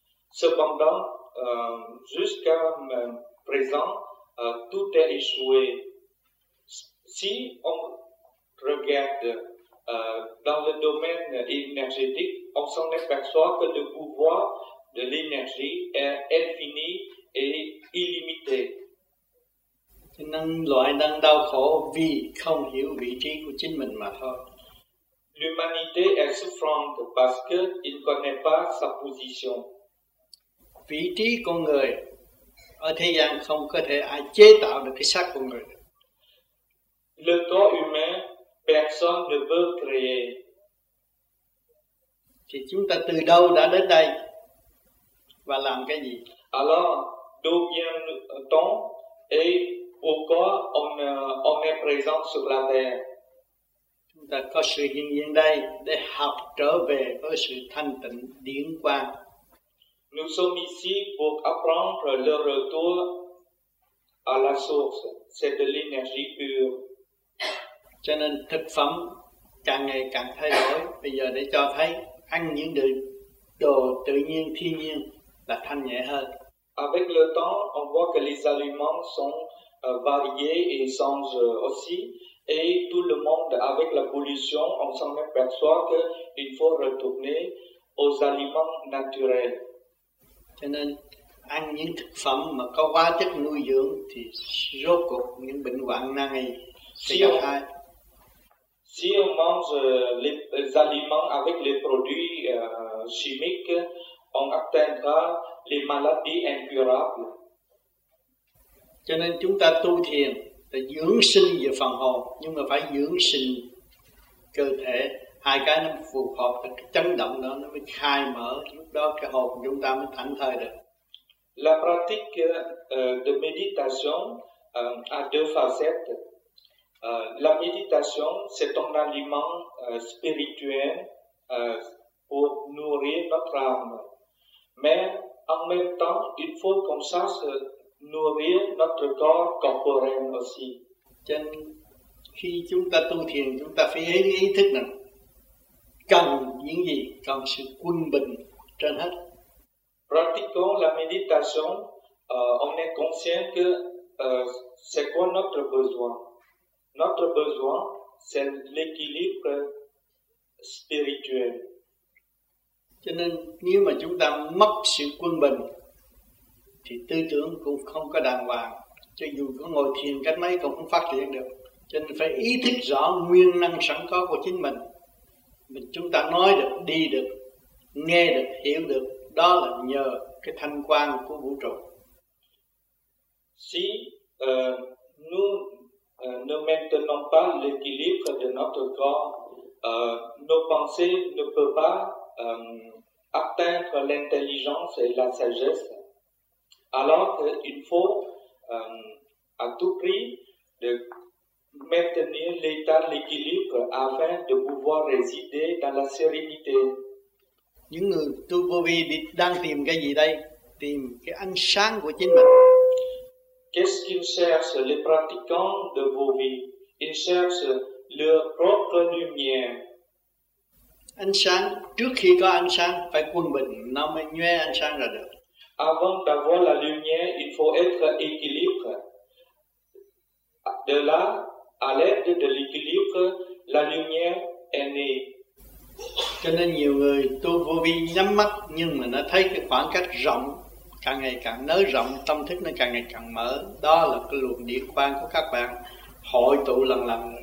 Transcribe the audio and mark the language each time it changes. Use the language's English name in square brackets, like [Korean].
[French] Cependant, jusqu'à présent, tout est échoué. Si on regarde dans le domaine énergétique, on s'en aperçoit que le pouvoir de l'énergie est infini et illimité. [Vietnamese] Nên loại đang đau khổ vì không hiểu vị trí của chính mình mà thôi. [French] L'humanité est souffrante parce qu'il ne connaît pas sa position. [Vietnamese] Vị trí con người ở thế gian không có thể ai chế tạo được cái xác con người. [French] Le corps humain, personne ne peut créer. [Vietnamese] Thì chúng ta từ đâu đã đến đây và làm cái gì? [French] Alors, d'où vient-on et pourquoi on est présent sur la terre? [Vietnamese] Chúng ta có sự hiện diện đây để học trở về với sự thanh tịnh điển quang. [French] Nous sommes ici pour apprendre le retour à la source, c'est de l'énergie pure. [Vietnamese] Cho nên thực phẩm càng ngày càng thay đổi. Bây giờ để cho thấy ăn những đồ tự nhiên, thiên nhiên là thanh nhẹ hơn. [French] Avec le temps, on voit que les aliments sont variés et sans aussi. Et tout le monde, avec la pollution, on s'en aperçoit qu'il faut retourner aux aliments naturels. [Vietnamese] Cho nên, ăn những thực phẩm mà có hóa chất nuôi dưỡng thì rốt cuộc những bệnh hoạn nan y sẽ gặp hại. [French] Si on mange les aliments avec les produits chimiques, on atteindra les maladies incurables. [Vietnamese] Cho nên chúng ta tu thiền là dưỡng sinh về phần hồn, nhưng mà phải dưỡng sinh cơ thể. Hai cái nó phù hợp, cái chấn động đó nó mới khai mở, lúc đó cái hồn chúng ta mới thảnh thơi được. [French] La pratique de méditation a deux facettes. La méditation, c'est un aliment spirituel pour nourrir notre âme. Mais en même temps, il faut qu'on sache nourrir notre corps corporel aussi. [Vietnamese] Chân, khi chúng ta tu thiền, chúng ta phải ý thức là cần những gì, cần sự quân bình trên hết. [French] Pratiquant la méditation, on est conscient que c'est quoi notre besoin. Notre besoin, c'est l'équilibre spirituel. [Vietnamese] Cho nên, nếu mà chúng ta mất sự quân bình, thì tư tưởng cũng không có đàng hoàng. Cho dù có ngồi thiền cách mấy cũng không phát triển được. Cho nên phải ý thức rõ nguyên năng sẵn có của chính mình. Mình chúng ta nói được, đi được, nghe được, hiểu được. Đó là nhờ cái thanh quang của vũ trụ. [French] Si nous ne maintenons pas l'équilibre de notre corps, nos pensées ne peuvent pas atteindre l'intelligence et la sagesse. Alors il faut à tout prix de maintenir l'état d'équilibre afin de pouvoir résider dans la sérénité. [Vietnamese] Những người tu vô vi đang tìm cái gì đây? Tìm cái ánh sáng của chính mình. [French] Qu'est-ce qu'ils cherchent, les pratiquants de vô vi? Ils cherchent leur propre lumière. [Vietnamese] Ánh sáng, trước khi có ánh sáng, phải quân bình, nó mới nhuê ánh sáng ra được. [French] Avant d'avoir la lumière, il faut être équilibré. De là, à l'aide de l'équilibre, la lumière est née. [Vietnamese] Cho nên nhiều người tu vô vi nhắm mắt nhưng mà nó thấy cái khoảng cách rộng, càng ngày càng nới rộng, tâm thức nó càng ngày càng mở. Đó là cái luồng điện quang của các bạn hội tụ lần lần.